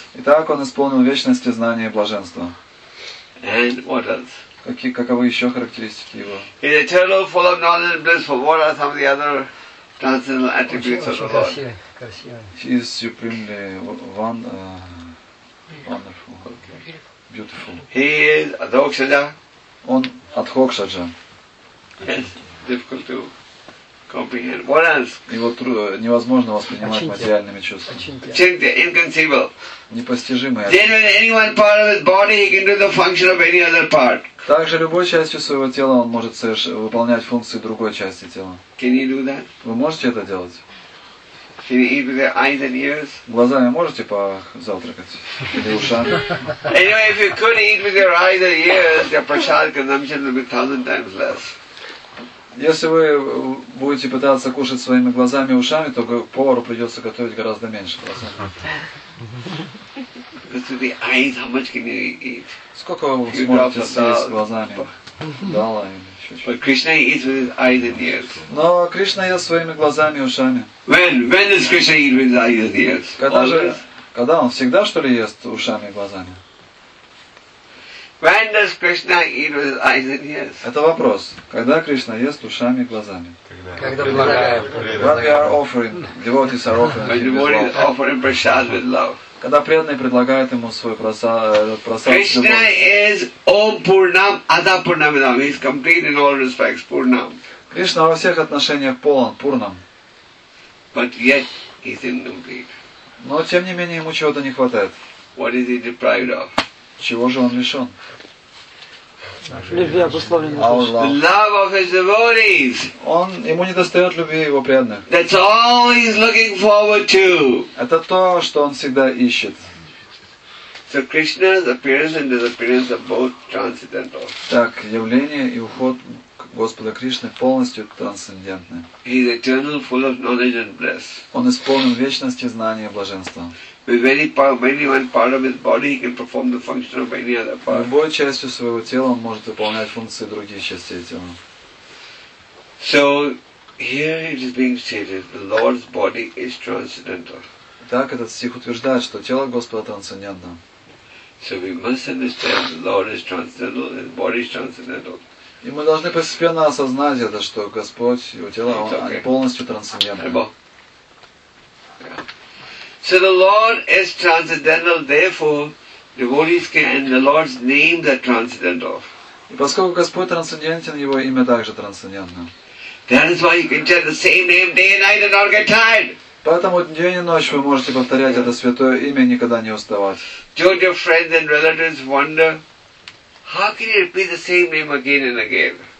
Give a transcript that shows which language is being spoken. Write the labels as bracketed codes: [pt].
[ru] Итак, он исполнил вечности знания и блаженства. [en] And what else? [ru] Каковы еще характеристики его? [en] He's eternal, full of knowledge and bliss. For what are some of the other transcendental attributes of the Lord? [ru] Красивый. [en] He is supremely wonderful. Okay. Beautiful. He is adhokshaja. [ru] Он адхокшаджа. [en] Yes. Difficult to comprehend. What else? [ru] Его невозможно воспринимать материальными чувствами. [en] Чинтя. Inconceivable. [ru] Непостижимое. [en] Then when anyone part of his body, he can do the function of any other part. [ru] Также любой частью своего тела он может выполнять функции другой части тела. [en] Can you do that? [ru] Вы можете это делать? [en] Can you eat with your eyes and ears? [ru] Глазами можете позавтракать? Или ушами? [en] Anyway, if you could eat with your eyes and ears, your prasad consumption would be 1,000 times less. [ru] Если вы будете пытаться кушать своими глазами и ушами, то повару придется готовить гораздо меньше глазами. Сколько вы сможете съесть глазами? Дала или еще [en] Krishna eats with his eyes and ears. [ru] Но Кришна ест своими глазами и ушами. [en] When does Krishna eat with his eyes and ears? [ru] Когда он всегда что ли ест ушами и глазами? [en] When does Krishna eat with eyes and ears? [ru] Это вопрос. Когда Кришна ест ушами и глазами? Когда предлагаем. [en] When we are offering, devotees are offering. When devotees are offering prasad with love. [ru] Когда преданные предлагают ему свой просад. [en] Krishna is Om Purnam Adha Purnamidam. He is complete in all respects. Purnam. [ru] Кришна во всех отношениях полон. Пурнам. [en] But yet he is incomplete. [ru] Но тем не менее ему чего-то не хватает. [en] What is he deprived of? [ru] Чего же он лишен? Любви обусловленной. Он ему не достает любви его преданных. [en] That's all he's looking forward to. [ru] Это то, что он всегда ищет. [en] So Krishna's appearance and disappearance are both transcendental. [ru] Так, явление и уход Господа Кришны полностью трансцендентны. [en] He's eternal, full of knowledge and bliss. [ru] Он исполнен вечности, знания и блаженства. [en] With any part, any one part of his body, he can perform the function of any other part. [ru] Любой частью своего тела он может выполнять функции других частей тела. [en] So here it is being stated, the Lord's body is transcendental. [ru] Так этот стих утверждает, что тело Господа трансцендентно. [en] So we must understand the Lord is transcendental, his body is transcendental. [ru] И мы должны постепенно осознать это, что Господь, его тело, он полностью трансцендентный. [en] So the Lord is transcendental, therefore devotees can and the Lord's name is transcendental. [ru] И поскольку Господь трансцендентен, его имя также трансцендентно. [en] That is why you can chant the same name day and night and not get tired. [ru] Поэтому день и ночь вы можете повторять это святое имя и никогда не уставать. [en] Don't your friends and relatives wonder how can you repeat the same name again and again?